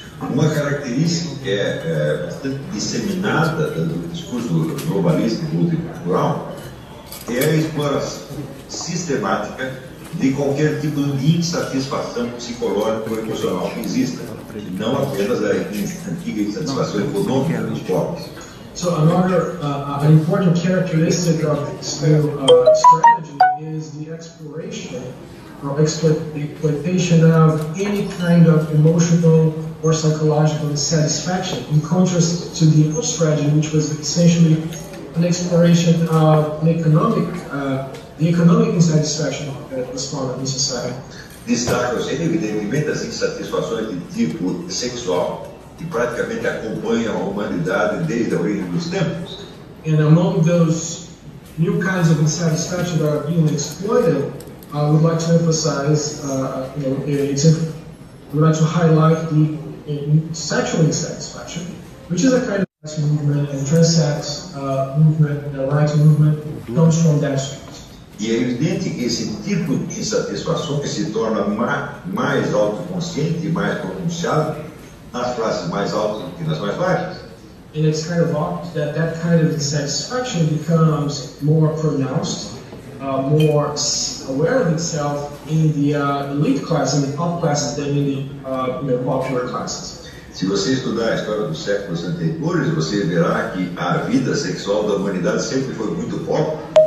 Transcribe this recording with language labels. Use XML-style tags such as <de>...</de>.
<pt>Uma característica que é bastante disseminada do discurso globalista e multicultural é a exploração sistemática de qualquer tipo de insatisfação psicológica ou emocional que exista, não apenas a antiga insatisfação econômica dos pobres.</pt> <en>So another an important characteristic of this new strategy is the exploration or exploitation of any kind of emotional or psychological dissatisfaction, in contrast to the old strategy, which was essentially an exploration of an economic, the economic insatisfaction that was found in society.</en> <pt>Destaca-se evidentemente as insatisfações de tipo sexual, que praticamente acompanha a humanidade desde a origem dos tempos.</pt> <en>And among those new kinds of insatisfaction that are being exploited, I would like to emphasize, highlight the sexual insatisfaction, which is a kind of sex movement and transsex movement, the right movement, comes from that street.</en> <pt>E é evidente que esse tipo de insatisfação que se torna mais autoconsciente e mais pronunciado nas classes mais altas do que nas mais baixas.</pt> <en>And it's kind of odd that that kind of dissatisfaction becomes more pronounced, more aware of itself in the elite class, in the top classes, than in the popular classes.</en> <pt>Se você estudar a história dos séculos anteriores, você verá que a vida sexual da humanidade sempre foi muito forte.</pt>